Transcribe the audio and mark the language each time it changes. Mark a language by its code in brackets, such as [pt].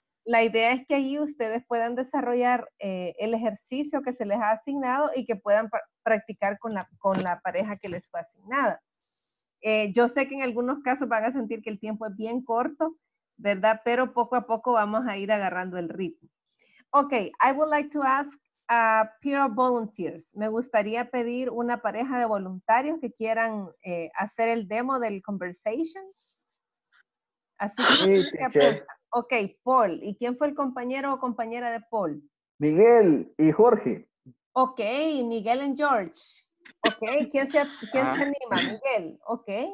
[es] La idea es que ahí ustedes puedan desarrollar el ejercicio que se les ha asignado y que puedan practicar con la pareja que les fue asignada. Yo sé que en algunos casos van a sentir que el tiempo es bien corto, ¿verdad? Pero poco a poco vamos a ir agarrando el ritmo. [en] Okay, I would like to ask a pair of volunteers. [es] Me gustaría pedir una pareja de voluntarios que quieran hacer el demo del conversation. Así que, sí, ok, Paul. ¿Y quién fue el compañero o compañera de Paul? Miguel y Jorge. Ok, Miguel y George. Ok, ¿quién se anima? Miguel, ok.